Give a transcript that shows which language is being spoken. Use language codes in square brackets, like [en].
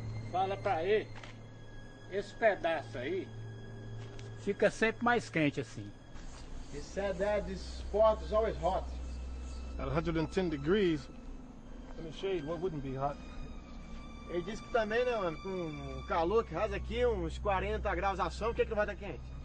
[pt] Fala pra ele, esse pedaço aí fica sempre mais quente assim. [en] He said that this spot is always hot. At 110 degrees, in the shade, what wouldn't be hot? [pt] Ele disse que também, né, mano, com calor que rasa aqui, uns 40 graus a sombra, o que é que não vai estar quente?